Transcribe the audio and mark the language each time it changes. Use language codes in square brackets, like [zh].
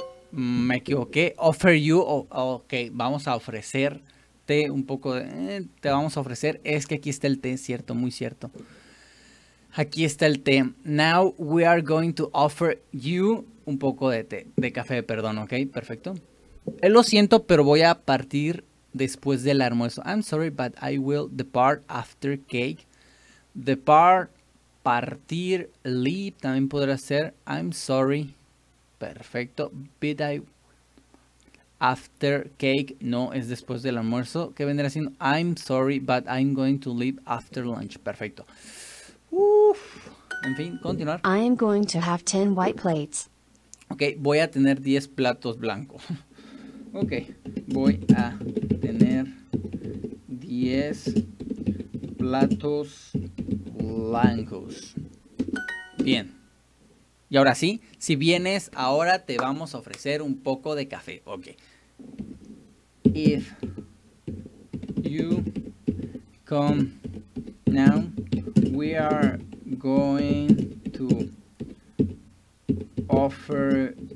[es] Me equivoqué. [en] Offer you. [es] Ok. Vamos a ofrecerte un poco de... te vamos a ofrecer. Es que aquí está el té. Cierto. Muy cierto. Aquí está el té. [en] Now we are going to offer you [es] un poco de té. De café. Perdón. Ok. Perfecto. Lo siento, pero voy a partir después del almuerzo. [en] I'm sorry, but I will depart after cake. [es] Depart. Partir, leave, también podría ser, [en] I'm sorry, [es] perfecto, [en] but I, after cake, [es] no, es después del almuerzo, ¿qué vendría siendo? [en] I'm sorry, but I'm going to leave after lunch, perfecto. [es] Uf. En fin, continuar. [en] I am going to have 10 white plates. [es] Ok, voy a tener 10 platos blancos. Ok, voy a tener 10 platos blancos. Bien. Y ahora sí, si vienes, ahora te vamos a ofrecer un poco de café. [en] Ok. If you come now, we are going to offer